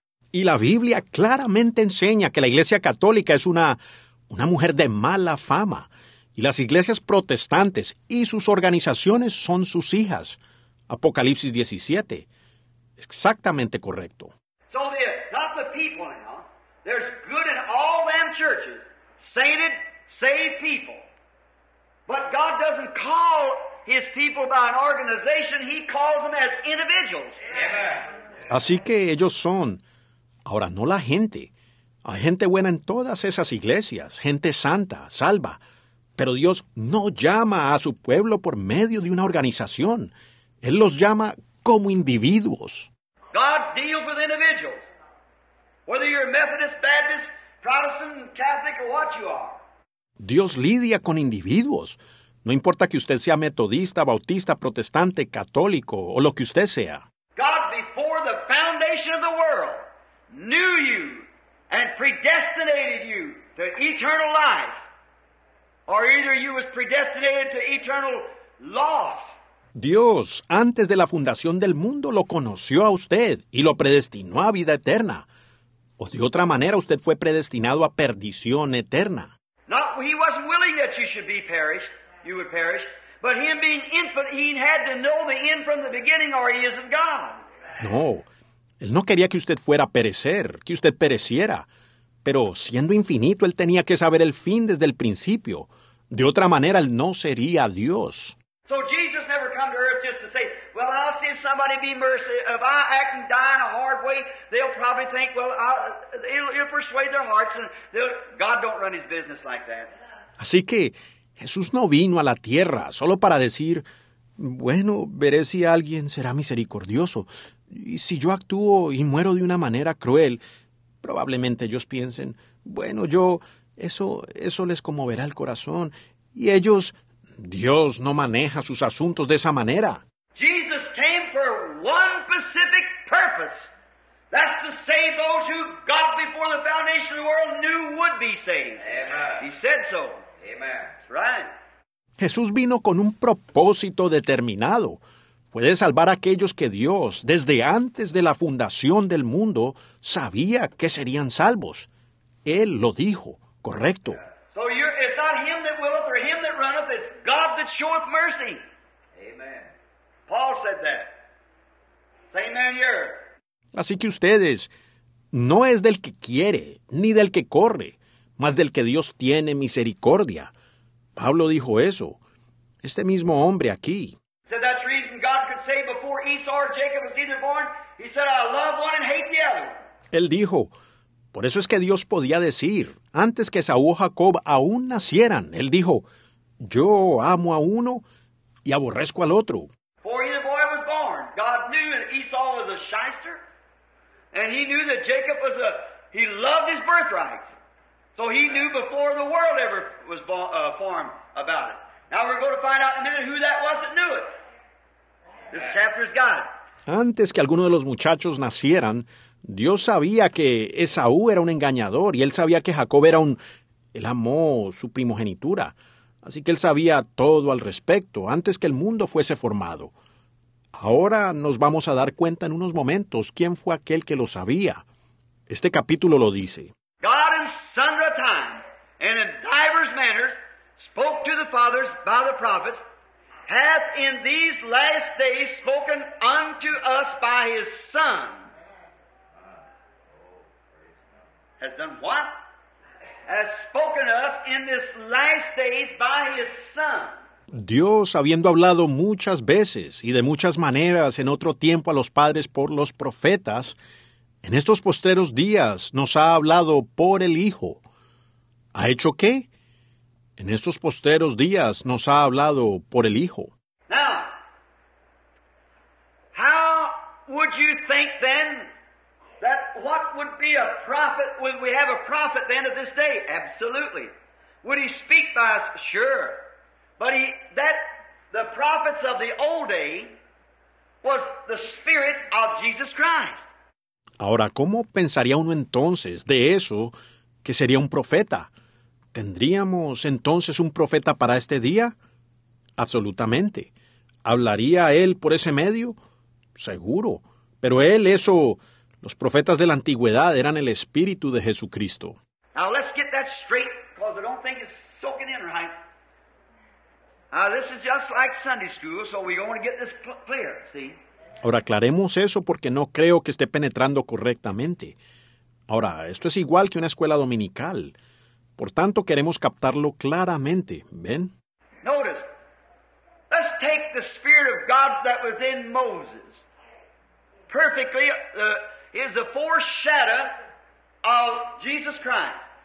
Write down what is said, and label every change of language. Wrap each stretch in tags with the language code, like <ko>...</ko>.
<es>Y la Biblia claramente enseña que la Iglesia Católica es una mujer de mala fama. Y las iglesias protestantes y sus organizaciones son sus hijas. Apocalipsis 17. Exactamente correcto.</es> <en>So they're not the people now. There's good in all them churches. Sainted, saved people. But God doesn't call his people by an organization. He calls them as individuals. Amen.</en> <es>Así que ellos son... Ahora, no la gente. Hay gente buena en todas esas iglesias, gente santa, salva. Pero Dios no llama a su pueblo por medio de una organización. Él los llama como individuos.</es> <en>God deals with individuals, whether you're Methodist, Baptist, Protestant, Catholic, or what you are.</en> <es>Dios lidia con individuos. No importa que usted sea metodista, bautista, protestante, católico, o lo que usted sea.</es> <en>God, before the foundation of the world, knew you and predestinated you to eternal life, or either you was predestinated to eternal loss.</en> <es>Dios, antes de la fundación del mundo, lo conoció a usted y lo predestinó a vida eterna. O de otra manera, usted fue predestinado a perdición eterna.</es> <en>No, he wasn't willing that you should be perished, you would perish. But him being infant, he had to know the end from the beginning, or he isn't God. No.</en> <es>Él no quería que usted fuera a perecer, que usted pereciera. Pero siendo infinito, él tenía que saber el fin desde el principio. De otra manera, él no sería Dios.</es> <en>So Jesus never come to earth just to say, well, I'll see somebody be merciful. If I act and die in a hard way, they'll probably think, well, it'll persuade their hearts. And God don't run his business like that.</en> <es>Así que Jesús no vino a la tierra solo para decir, bueno, veré si alguien será misericordioso. Y si yo actúo y muero de una manera cruel, probablemente ellos piensen, bueno, eso les conmoverá el corazón. Y ellos, Dios no maneja sus asuntos de esa manera.</es> <en>Jesus came for one specific purpose. That's to save those who God before the foundation of the world knew would be saved. Amen. He said so. Amen. That's right.</en> <es>Jesús vino con un propósito determinado. Puede salvar a aquellos que Dios, desde antes de la fundación del mundo, sabía que serían salvos. Él lo dijo, correcto.</es> <en>So it's not him that willeth or him that runneth, it's God that showeth mercy. Amen. Paul said that. Same man here.</en> <es>Así que ustedes, no es del que quiere, ni del que corre, mas del que Dios tiene misericordia. Pablo dijo eso. Este mismo hombre aquí.</es> <en>Said that's the reason God could say before Esau or Jacob was either born, he said, I love one and hate the other.</en> <es>Él dijo, por eso es que Dios podía decir, antes que Saúl o Jacob aún nacieran, él dijo, yo amo a uno y aborrezco al otro.</es> <en>Before either boy was born, God knew that Esau was a shyster, and he knew that Jacob was he loved his birthrights. So he knew before the world ever was formed about it. Now we're going to find out in a minute who that was that knew it. This chapter's got it.</en> <es>Antes que alguno de los muchachos nacieran, Dios sabía que Esaú era un engañador y él sabía que Jacob era él amó su primogenitura. Así que él sabía todo al respecto, antes que el mundo fuese formado. Ahora nos vamos a dar cuenta en unos momentos quién fue aquel que lo sabía. Este capítulo lo dice.</es> <en>God in sundry times and in divers manners spoke to the fathers by the prophets, hath in these last days spoken unto us by his Son. Has done what? Has spoken us in this last days by his Son.</en> <es>Dios, habiendo hablado muchas veces y de muchas maneras en otro tiempo a los padres por los profetas, en estos postreros días nos ha hablado por el Hijo. ¿Ha hecho qué? En estos postreros días nos ha hablado por el Hijo.</es> <en>Now, how would you think then that what would be a prophet, would we have a prophet at the end of this day? Absolutely. Would he speak by us? Sure. But the prophets of the old day was the Spirit of Jesus Christ.</en> <es>Ahora, ¿cómo pensaría uno entonces de eso que sería un profeta? ¿Tendríamos entonces un profeta para este día? Absolutamente. ¿Hablaría él por ese medio? Seguro. Pero él, eso, los profetas de la antigüedad eran el Espíritu de Jesucristo.</es> <en>Now let's get that straight, because I don't think it's soaking in right. This is just like Sunday school, so we want to get this clear, see?</en> <es>Ahora, aclaremos eso porque no creo que esté penetrando correctamente. Ahora, esto es igual que una escuela dominical. Por tanto, queremos captarlo claramente, ¿ven?</es> <en>Notice, let's take the Spirit of God that was in Moses. Perfectly, is a foreshadow of Jesus Christ.</en>